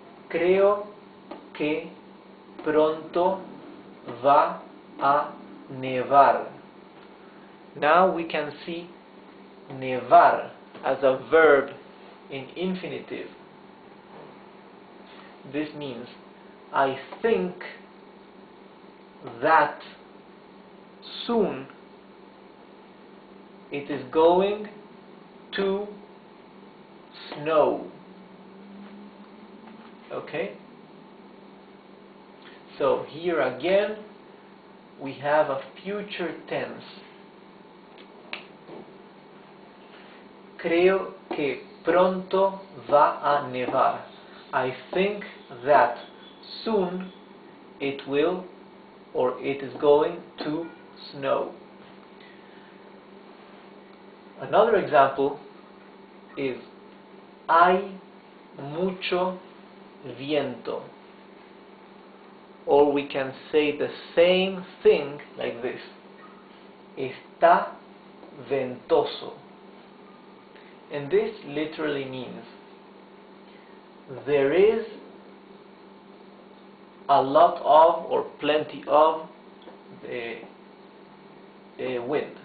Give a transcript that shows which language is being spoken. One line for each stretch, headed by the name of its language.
Spanish: Creo que pronto va a nevar.
English: Now we can see nevar as a verb in infinitive. This means I think that soon it is going to snow. Okay? So here again we have a future tense.
Spanish: Creo que pronto va a nevar.
English: I think that soon it will, or it is going to snow. Another example is
Spanish: hay mucho viento.
English: Or we can say the same thing like this.
Spanish: Está ventoso.
English: And this literally means there is a lot of or plenty of the wind.